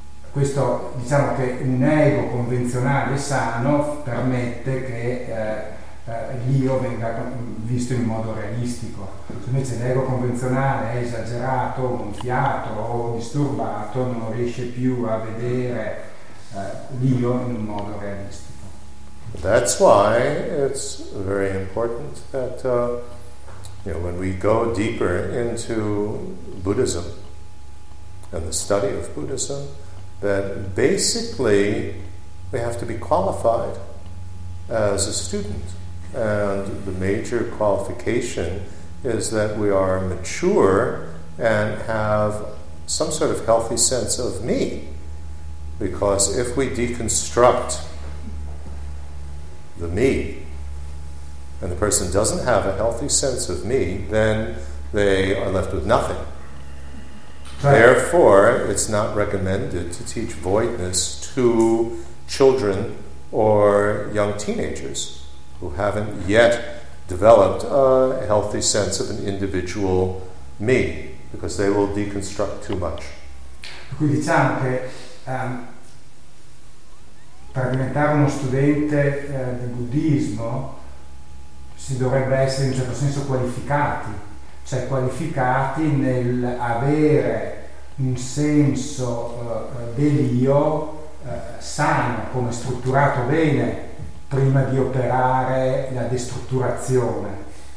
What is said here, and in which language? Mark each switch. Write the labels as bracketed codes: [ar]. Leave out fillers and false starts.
[it] Questo, diciamo che un ego convenzionale sano permette che l'io venga visto in modo realistico. Se invece l'ego convenzionale è esagerato, gonfiato o disturbato, non riesce più a vedere l'io in un modo realistico. [en] That's why it's very important that you know, when we go deeper into Buddhism and the study of Buddhism, that basically we have to be qualified as a student. And the major qualification is that we are mature and have some sort of healthy sense of me. Because if we deconstruct the me, and the person doesn't have a healthy sense of me, then they are left with nothing. Therefore, it's not recommended to teach voidness to children or young teenagers who haven't yet developed a healthy sense of an individual me, because they will deconstruct too much. [it] Quindi diciamo che per diventare uno studente di buddismo si dovrebbe essere in un certo senso qualificati, cioè qualificati nel avere un senso dell'io sano, come strutturato bene, prima di operare la destrutturazione.